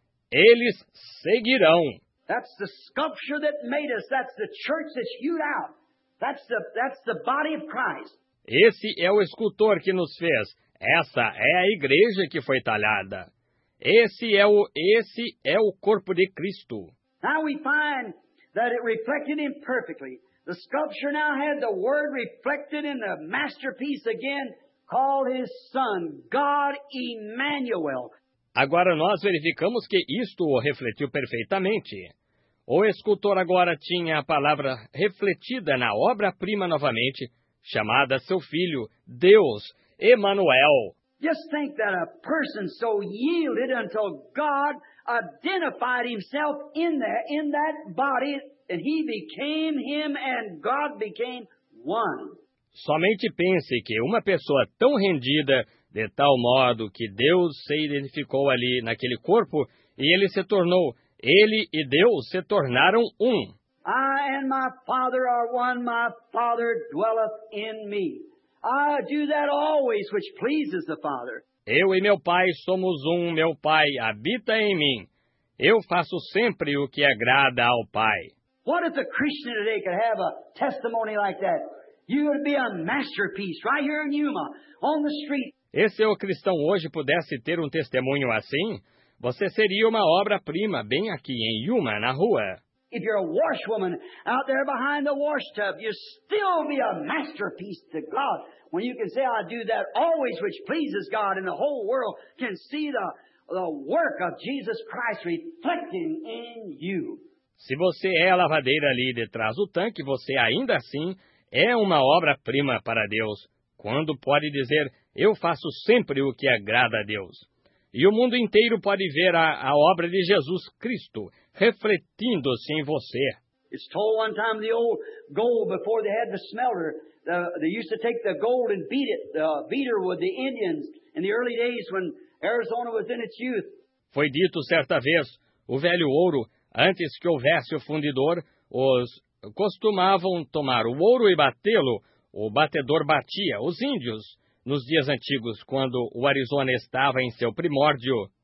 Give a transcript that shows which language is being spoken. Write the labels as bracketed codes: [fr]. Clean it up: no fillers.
[pt] Eles seguirão. [en] That's the sculpture that made us. That's the church that hewed out. That's the body of Christ. [pt] Esse é o escultor que nos fez. Essa é a igreja que foi talhada. Esse é o corpo de Cristo. [en] Now we find that it reflected imperfectly. The sculpture now had the word reflected in the masterpiece again, called his son, God Emmanuel. [pt] Agora nós verificamos que isto o refletiu perfeitamente. O escultor agora tinha a palavra refletida na obra-prima novamente, chamada seu filho, Deus, Emmanuel. [en] Just think that a person so yielded until God identified himself in that body, and he became him and God became one. [pt] Somente pense que uma pessoa tão rendida, de tal modo que Deus se identificou ali naquele corpo, e ele se tornou, ele e Deus se tornaram um. [en] I and my Father are one, my Father dwelleth in me. I do that always which pleases the Father. [pt] Eu e meu Pai somos um, meu Pai habita em mim. Eu faço sempre o que agrada ao Pai. [en] What if a Christian today could have a testimony like that? You would be a masterpiece right here in Yuma, on the street. [pt] E se o cristão hoje pudesse ter um testemunho assim, você seria uma obra-prima bem aqui em Yuma, na rua. [en] If you're a washwoman out there behind the washtub, you still be a masterpiece to God. When you can say, I do that always which pleases God, and the whole world can see the work of Jesus Christ reflecting in you. [pt] Se você é a lavadeira ali detrás do tanque, você ainda assim é uma obra-prima para Deus. Quando pode dizer, eu faço sempre o que agrada a Deus. E o mundo inteiro pode ver a obra de Jesus Cristo refletindo-se em você. [en] It's told one time the old gold before they had the smelter. They used to take the gold and beat it. The beater with the Indians in the early days when Arizona was in its youth. [pt] Foi dito certa vez, o velho ouro, antes que houvesse o fundidor, os costumavam tomar o ouro e batê-lo. O batedor batia os índios nos dias antigos, quando o Arizona estava em seu primórdio.